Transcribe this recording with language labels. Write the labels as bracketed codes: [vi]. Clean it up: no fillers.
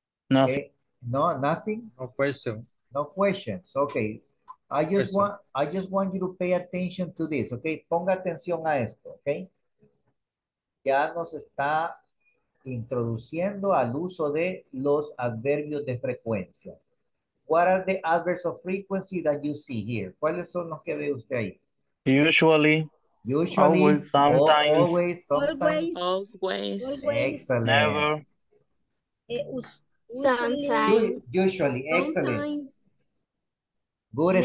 [en] No. Okay. No, nothing? No question. No questions. Okay. I just want you to pay attention to this. [es] Okay. Ponga atención a esto. Okay. Ya nos está introduciendo al uso de los adverbios de frecuencia. [en] What are the adverbs of frequency that you see here? [es] ¿Cuáles son los que ve usted ahí? [en] Usually. Usually. Sometimes. Always. Sometimes. Always. Excellent. Never. Sometimes. Usually. Excellent. Sometimes. Good